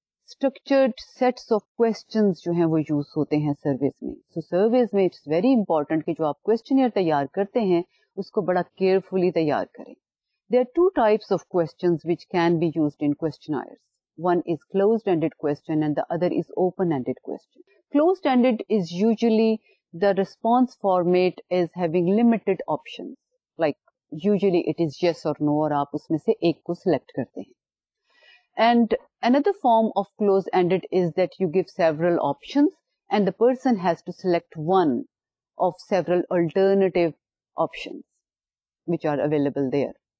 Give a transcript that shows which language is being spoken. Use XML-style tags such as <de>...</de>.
<en>structured sets of questions</en> <ur>جو ہیں وہ use ہوتے ہیں surveys میں. So surveys میں</ur> <en>it's very important</en> <ur>کہ جو آپ questionnaire تیار کرتے ہیں اس کو بڑا carefully تیار کریں.</ur> <en>There are two types of questions which can be used in questionnaires. One is closed-ended question and the other is open-ended question. Closed-ended is usually the response format is having limited options. Like usually it is yes or no</en> <ur>اور آپ اس میں سے ایک کو select کرتے ہیں.</ur> <en>And another form of closed-ended is that you give several options and the person has to select one of several alternative options which are available there.</en>